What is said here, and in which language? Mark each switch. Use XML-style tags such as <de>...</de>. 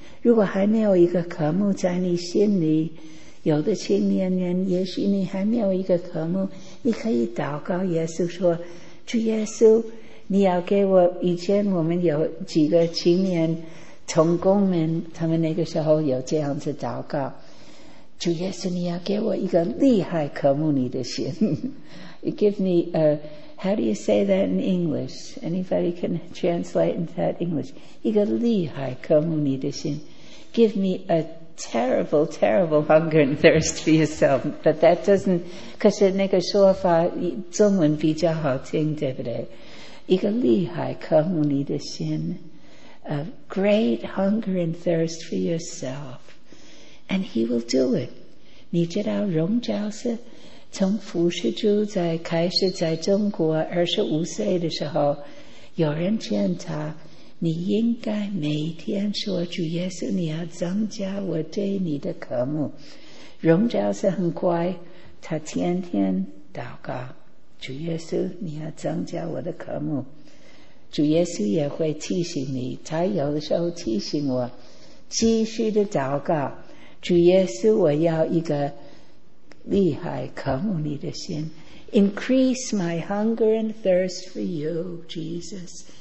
<zh>如果还没有一个渴慕在你心里，有的青年人也许你还没有一个渴慕，你可以祷告耶稣说，主耶稣，你要给我。以前我们有几个青年同工们，他们那个时候有这样子祷告，主耶稣，你要给我一个厉害渴慕你的心。</zh> <en>Give me, how do you say that in English? Anybody can translate into that English?</en> <zh>一个厉害渴慕你的心。</zh> <en>Give me a terrible, terrible hunger and thirst for yourself. But that doesn't,</en> <zh>可是那个说法中文比较好听，对不对？一个厉害渴慕你的心。</zh> <en>A great hunger and thirst for yourself. And he will do it.</en> <zh>你知道荣教师从服侍主在开始在中国25岁的时候，有人劝他，你应该每天说，主耶稣，你要增加我对你的渴慕。荣教是很乖，他天天祷告，主耶稣，你要增加我的渴慕。主耶稣也会提醒你，他有的时候提醒我继续的祷告，主耶稣，我要一个厉害渴慕你的心。</zh> <en>Increase my hunger and thirst for you, Jesus.</en>